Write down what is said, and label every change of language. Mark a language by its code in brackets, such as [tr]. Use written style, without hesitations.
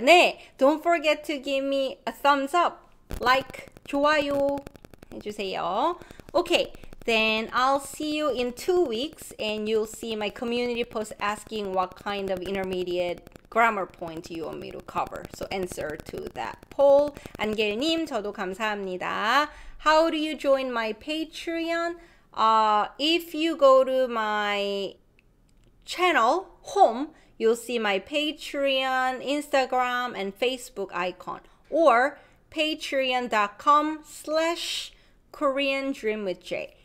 [en] 네, don't forget to give me a thumbs up. [ko] Like, 좋아요 해주세요. [en] Okay, then I'll see you in 2 weeks and you'll see my community post asking what kind of intermediate grammar point you want me to cover. So answer to that poll. [ko] 안겔님, 저도 감사합니다. [en] How do you join my Patreon? If you go to my channel, home, you'll see my Patreon, Instagram, and Facebook icon. Or patreon.com/KoreanDreamWithJay.